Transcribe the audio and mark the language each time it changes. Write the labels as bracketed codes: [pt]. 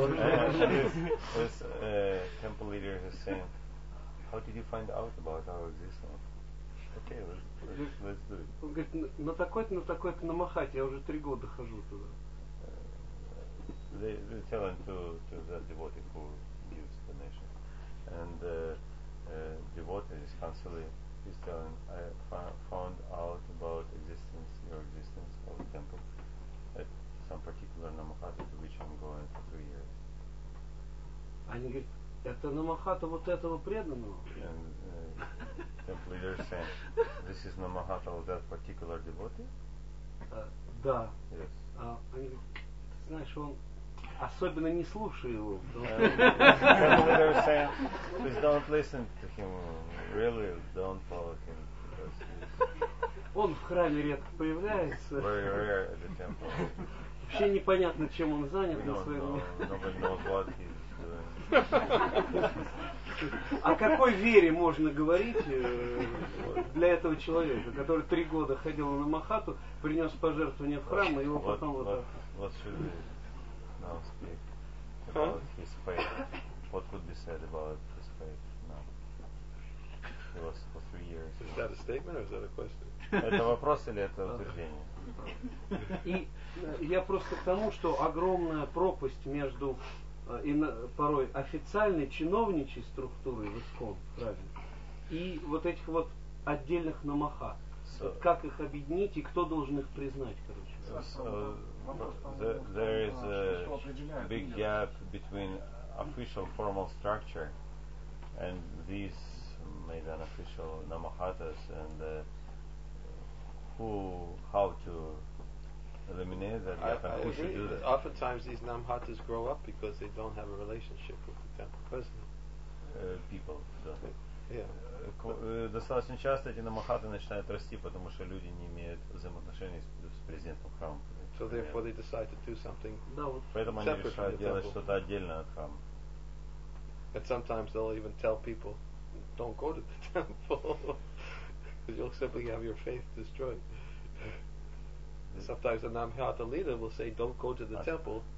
[en] Temple leader is saying, how did you find out about our existence? Okay, let's do it. [ru] Он говорит, на такой-то намахате я уже 3 года хожу туда. [en] They tell him to the devotee who gives the donation, and devotee is constantly. He's telling, I found out about existence, your existence of the temple at some particular Namahata to which I'm going for 3 years. [ru] Они говорят, это Намахата вот этого преданного? [en] And temple leader saying, this is Намахата of that particular devotee? [ru] Да. [en] Yes. [ru] Они говорят, ты знаешь, он особенно не слушай его. [en] Temple leader saying, please don't listen to him. Really, don't follow him. [ru] Он в храме редко появляется. [en] Very rare at the temple. [ru] Вообще непонятно, чем он занят на своем. [en] Nobody knows what he's doing. [ru] О какой вере можно говорить для этого человека, который 3 года ходил на махату, принес пожертвование в храм, и его потом вот так. [en] What should we now speak about his faith? What could be said about his faith? Was for 3 years. Is that a statement or is that a question? [ru] Это вопрос или это утверждение? И я просто к тому, что огромная пропасть между и порой официальной чиновничьей структурой в ИСККОН, правильно, и вот этих вот отдельных намахат. Как их объединить и кто должен их признать, короче? [en] there is a big gap between official formal structure and these made unofficial namahatas, and how to eliminate that gap, and who should do that. Oftentimes these namahatas grow up because they don't have a relationship with the temple personnel. People don't. Yeah. [ru] Достаточно часто эти намахаты начинают расти, потому что люди не имеют взаимоотношений с президентом храма. [en] So therefore they decide to do something. [ru] Поэтому они решают делать что-то отдельное от храма. [en] And sometimes they'll even tell people, "Don't go to the temple, because you'll simply have your faith destroyed." Sometimes the namahata leader will say, "Don't go to the temple."